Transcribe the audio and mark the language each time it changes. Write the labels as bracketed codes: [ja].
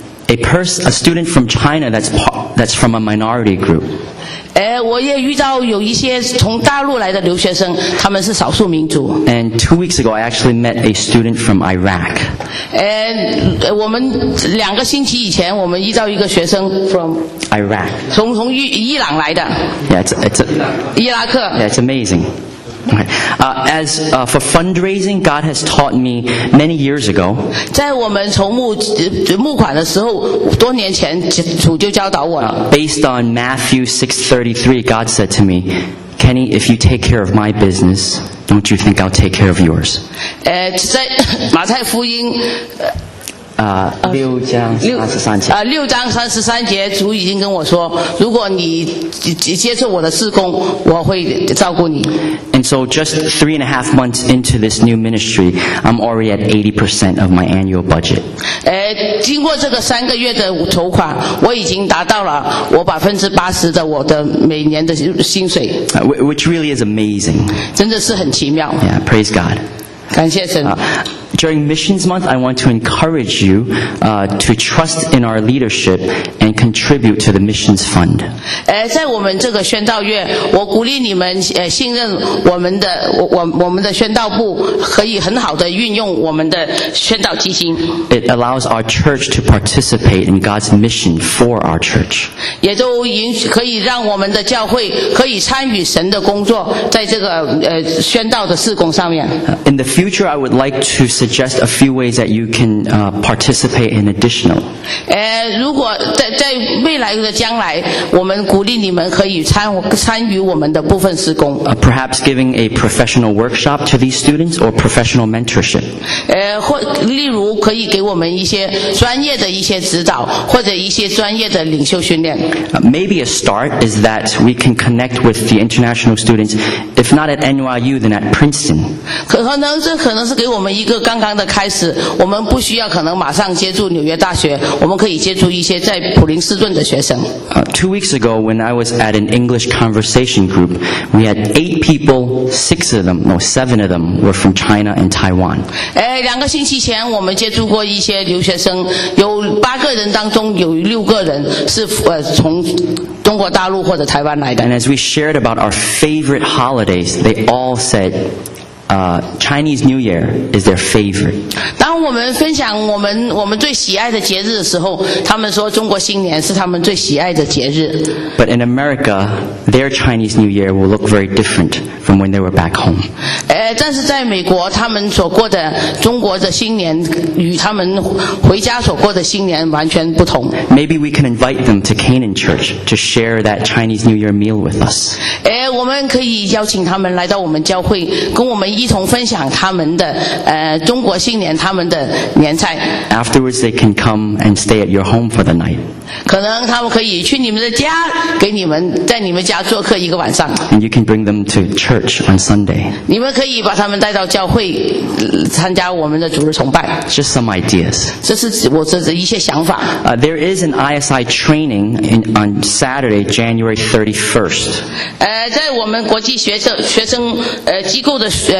[en] a student from China that's from a minority group. [zh] 我也遇到有一些从大陆来的留学生，他们是少数民族。 [en] And 2 weeks ago, I actually met a student from Iraq. [zh] 我们两个星期以前，我们遇到一个学生 [en] from Iraq， [zh] 从伊朗来的。 [en] Yeah, it's [zh] 伊拉克。 [en] Yeah, it's amazing. Okay. For fundraising, God has taught me many years ago. [zh] 在我们筹募款的时候，多年前主就教导我了。 [en] Based on Matthew 6:33, God said to me, "Kenny, if you take care of my business, don't you think I'll take care of yours?" [zh] 在马太福音。六章三十三节，主已经跟我说，如果你接受我的事工，我会照顾你。 [en] And so, just 3.5 months into this new ministry, I'm already at 80% of my annual budget. [zh] 经过这个三个月的筹款，我已经达到了我80%的我的每年的薪水。 [en] Which really is amazing. [zh] 真的是很奇妙。 [en] Yeah, praise God. [zh] 感谢神。 [en] During Missions Month, I want to encourage you to trust in our leadership and contribute to the Missions Fund. [zh] 在我们这个宣道月，我鼓励你们信任我们的宣道部，可以很好的运用我们的宣道基金。 [en] It allows our church to participate in God's mission for our church. [zh] 也都可以让我们的教会可以参与神的工作，在这个宣道的事工上面。 [en] In the future, I would like to suggest a few ways that you can participate in additional. [zh] 如果在未来的将来，我们鼓励你们可以参与我们的部分施工。 [en] Perhaps giving a professional workshop to these students or professional mentorship. [zh] 或例如可以给我们一些专业的一些指导，或者一些专业的领袖训练。 [en] Maybe a start is that we can connect with the international students, if not at NYU, then at Princeton. [zh] 可能是给我们一个刚刚的开始，我们不需要可能马上接触纽约大学，我们可以接触一些在普林斯顿的学生。 [en] 2 weeks ago, when I was at an English conversation group, we had 8 people, seven of them were from China and Taiwan. [zh] 两个星期前我们接触过一些留学生，有8个人当中有6个人是从中国大陆或者台湾来的。 [en] And as we shared about our favorite holidays, they all said,Chinese New Year is their favorite. [zh] 当我们分享我们最喜爱的节日的时候，他们说中国新年是他们最喜爱的节日。 [en] But in America, their Chinese New Year will look very different from when they were back home. [zh] 但是在美国，他们所过的中国的新年与他们回家所过的新年完全不同。 [en] Maybe we can invite them to Canaan Church to share that Chinese New Year meal with us. [zh] 我们可以邀请他们来到我们教会，跟我们一同分享他们的中国新年他们的年菜。 [en] Afterwards, they can come and stay at your home for the night. [zh] 可能他们可以去你们的家，给你们在你们家做客一个晚上。 [en] And you can bring them to church on Sunday. [zh] 你们可以把他们带到教会参加我们的主日崇拜。 [en] Just some ideas. [zh] 这是我这一些想法。 [en] There is an ISI training on Saturday, January 31st. [zh] 在我们国际学生机构的。